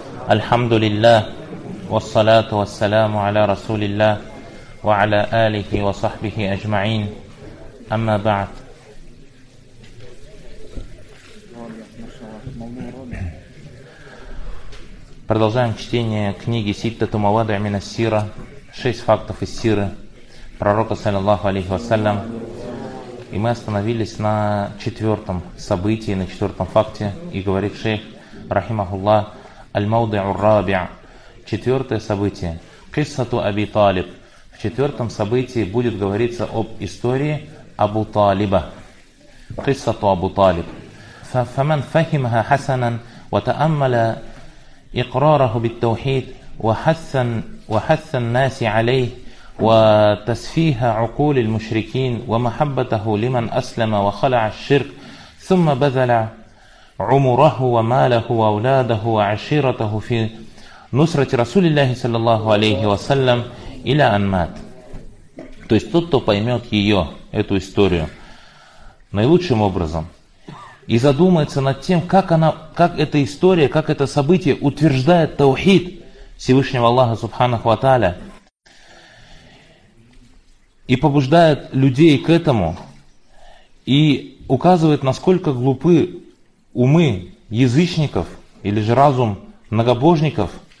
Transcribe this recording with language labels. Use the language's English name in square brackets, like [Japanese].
[Arabic] الحمد لله والصلاة والسلام على رسول الله وعلى آله وصحبه أجمعين. أما بعد، [Russian] продолжаем чтение книги Ситта Тумавадиа мин ас-Сира, шесть фактов из Сиры пророка, саллиллаху алейхи вассалям. И мы остановились на четвертом событии, на четвертом факте, и говорит шейх, рахимахуллах, [Arabic] аль-маудиу ар-рабиа, [Russian] четвертое событие, [Arabic] киссату Аби Талиб. [Russian] В четвертом событии будет говориться об истории Абу Талиба, [Arabic] киссату Абу Талиб. فَمَنْ فَهِمَهَا حَسَنًا وَتَأَمَّلَ إِقْرَارَهُ بِالتَّوْحِيدِ وَحَثَّ النَّاسِ عَلَيْهِ وتسفيه عقول المشركين ومحبته لمن أسلم وخلع الشرك ثم بذل عمره وماله وأولاده وعشيرته في نصرة رسول الله صلى الله عليه وسلم إلى أن مات. [Russian] То есть тот, кто поймет ее, эту историю, наилучшим образом и задумается над тем, как она, как эта история, как это событие утверждает таухид Всевышнего Аллаха Субханаху ва Тааля и побуждает людей к этому, и указывает, насколько глупы умы язычников или же разум многобожников,